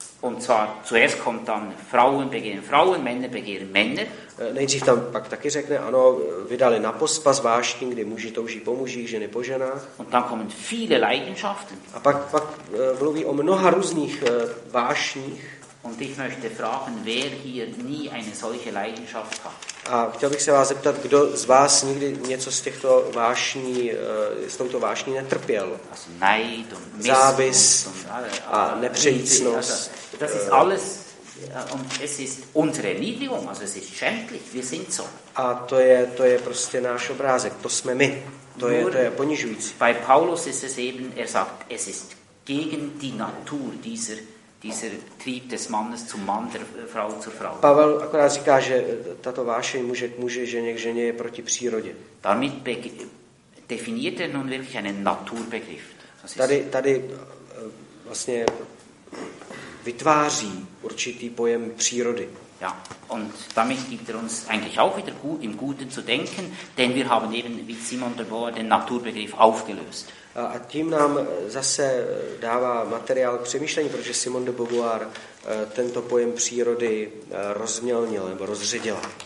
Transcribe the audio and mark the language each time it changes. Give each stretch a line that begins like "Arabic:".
German: Und zwar zuerst kommt dann Frauen begehren Frauen, Männer begehren Männer.
Czech: Nejdřív tam pak taky řekne, ano, vydali na pospas vášní, kdy muži touží po mužích, ženy po ženách.
German: Und dann kommen viele Leidenschaften.
Czech: A pak mluví o mnoha různých vášních.
German: Und ich möchte fragen, wer hier nie eine solche Leidenschaft hat.
Czech: A chtěl bych se vás zeptat, kdo z vás nikdy něco z těchto vášní, s touto vášní netrpěl?
German: Neid,
Czech: závis a nepřejícnost.
German: Das ist alles, und es ist unsere Erniedrigung, also es ist schändlich, wir sind so.
Czech: A to je prostě náš obrázek, to jsme my, to je ponižující.
German: Bei Paulus ist es eben, er sagt, es ist gegen die Natur dieser Trieb des Mannes zum Mann, der Frau zur Frau.
Czech: Pavel akorát říká, že tato vášeň muže k muži, ženě k ženě je proti přírodě.
German: Damit definiert er nun wirklich einen Naturbegriff.
Czech: Tady vlastně vytváří určitý pojem přírody.
German: Ja, und damit gibt er uns eigentlich auch wieder gut im Guten zu denken, denn wir haben eben, wie Simon de Beauvoir, den Naturbegriff aufgelöst.
Czech: A tím nám zase dává materiál k přemýšlení, protože Simon de Beauvoir tento pojem přírody rozmělnil nebo rozředila.